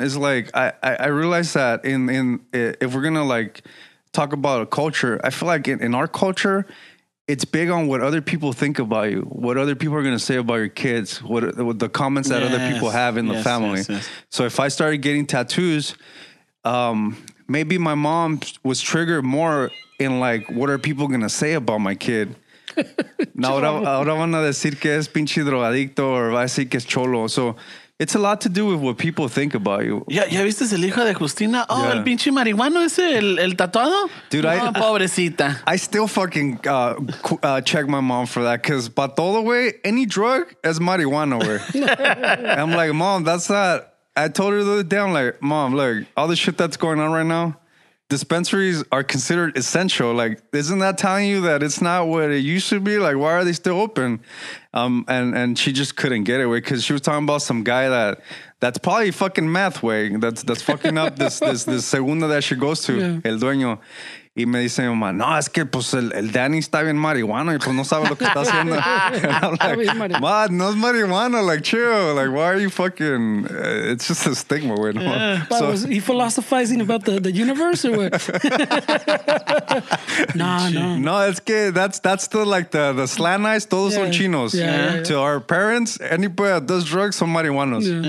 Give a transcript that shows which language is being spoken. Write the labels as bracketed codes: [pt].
[en] Is like, I realize that in if we're going to like talk about a culture, I feel like in our culture, it's big on what other people think about you, what other people are going to say about your kids, what the comments that other people have in the family. Yes, yes. So if I started getting tattoos, maybe my mom was triggered more in like, what are people going to say about my kid? [es] Now, ahora van a decir que es pinche drogadicto or va a decir que es cholo. [en] So it's a lot to do with what people think about you. [es] Yeah, ¿ya viste el hijo de Justina? Oh, yeah. El pinche marihuano ese, el tatuado. [en] Dude, [es] no, pobrecita. [en] I still fucking check my mom for that because, but all the way, any drug is marihuana. I'm like, mom, that's not. I told her the other day, I'm like, mom, look, all the shit that's going on right now, dispensaries are considered essential. Like, isn't that telling you that it's not what it used to be? Like, why are they still open? And she just couldn't get it, way, because she was talking about some guy that's probably fucking meth, way, that's fucking up this segunda that she goes to, yeah. [es] El dueño. Y me dice mi mamá, no, es que pues el Danny está bien marihuana y pues no sabe lo que está haciendo. [en] I'm like, [es] no es marihuana, [en] like, chill. Like, why are you fucking, it's just a stigma, güey. Yeah. So, he philosophizing about the universe or what? No. No, [es] es que [en] that's the, like, the slant eyes, [es] todos son chinos. [en] Yeah. To our parents, anybody that does drugs [es] son marihuanos.